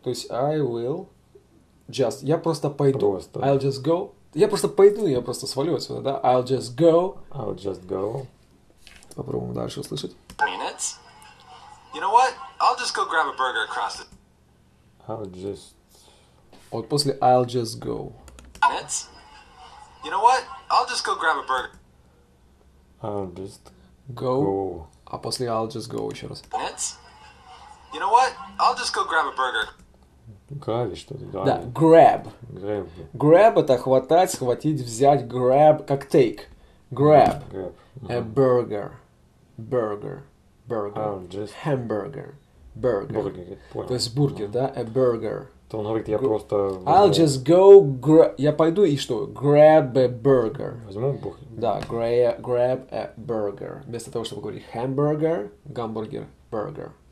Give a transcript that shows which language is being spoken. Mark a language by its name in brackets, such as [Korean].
[Russian] То есть [English] I will just. [Russian] Я просто пойду. Просто. [English] I'll just go. [Russian] Я просто пойду, я просто свалю отсюда, да? [English] I'll just go. I'll just go. [Russian] Попробуем дальше услышать. [English] Minutes. You know what? I'll just go grab a burger across the... I'll just... [Russian] Вот после [English] I'll just go. Minutes. You know what? I'll just go grab a burger. I'll just go. Go. [Russian] А после [English] I'll just go [Russian] еще раз. [English] Minutes. You know what? I'll just go grab a burger. [Russian] Грабить что-то, да? Да, grab. [English] Grab. [Russian] Grab это хватать, схватить, взять, grab, как take. [English] Grab. Grab. A burger. Burger. Burger. I'll just... Hamburger. Burger. [Russian] Burger. Понял. То есть бургер, да? A burger. То он говорит, я просто... [English] I'll just go... [Russian] Я пойду и что? [English] Grab a burger. [Russian] Возьму бургер. Да, [English] grab a burger. [Russian] Вместо того, чтобы говорить hamburger, гамбургер, burger.